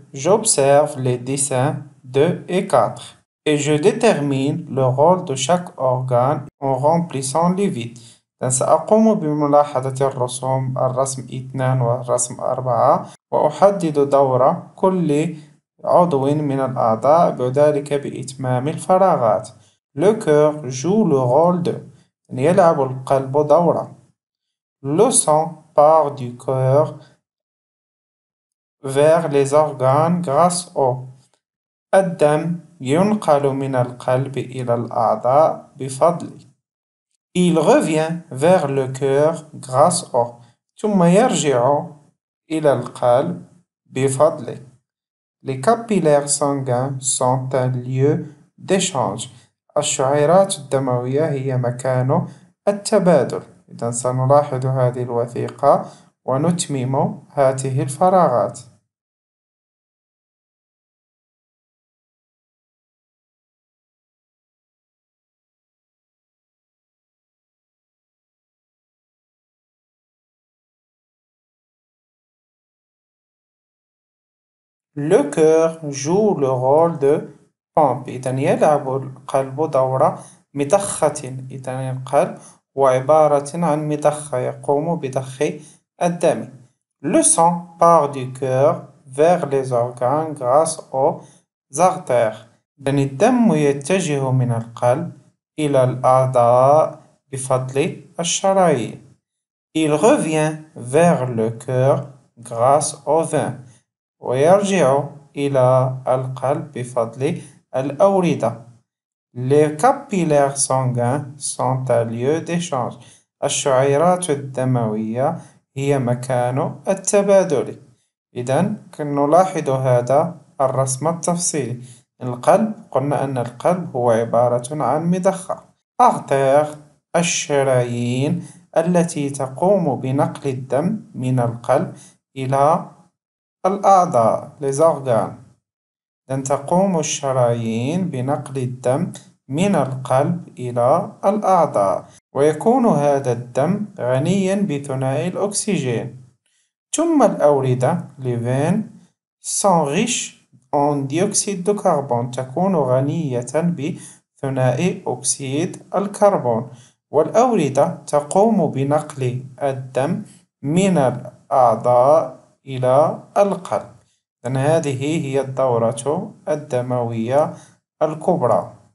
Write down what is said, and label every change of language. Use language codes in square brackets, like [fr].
[fr] J'observe les dessins 2 et 4 et je détermine le rôle de chaque organe en remplissant les vides. [ar] سأقوم بملاحظة الرسوم، الرسم 2 والرسم 4، وأحدد دور كل عضو من الأعضاء بذلك بإتمام الفراغات. [fr] Le cœur joue le rôle de. [ar] يلعب القلب دورة. [fr] Le sang part du cœur vers les organes grâce au. [ar] الدم ينقل من القلب إلى الأعضاء بفضله. [fr] Il revient vers le cœur grâce au. [ar] ثم يرجع إلى القلب بفضله. [fr] Les capillaires sanguins sont un lieu d'échange. [ar] الشعيرات الدموية هي مكان التبادل. إذن سنلاحظ هذه الوثيقة ونتمم هذه الفراغات. [fr] Le cœur joue le rôle de pompe. [ar] إذن يلعب القلب دور مضخة. إذن القلب هو عبارة عن مضخة يقوم بضخ الدم. [fr] Le sang part du cœur vers les organes grâce aux artères. [ar] إذن الدم يتجه من القلب إلى الأعضاء بفضل الشرايين. [fr] Il revient vers le cœur grâce aux veines. [ar] ويرجع إلى القلب بفضل الأوردة. [fr] Les capillaires sanguins sont un lieu d'échange. [ar] الشعيرات الدموية هي مكان التبادل. إذن نلاحظ هذا الرسم التفصيلي. القلب، قلنا أن القلب هو عبارة عن مضخة. Artère، الشرايين التي تقوم بنقل الدم من القلب إلى الأعضاء [fr] les organes. [ar] لن تقوم الشرايين بنقل الدم من القلب إلى الأعضاء، ويكون هذا الدم غنيا بثنائي الأكسجين. ثم الأوردة [fr] les veines sont riches en dioxyde de carbone. [ar] تكون غنية بثنائي أكسيد الكربون. والأوردة تقوم بنقل الدم من الأعضاء إلى القلب. إذن هذه هي الدورة الدموية الكبرى.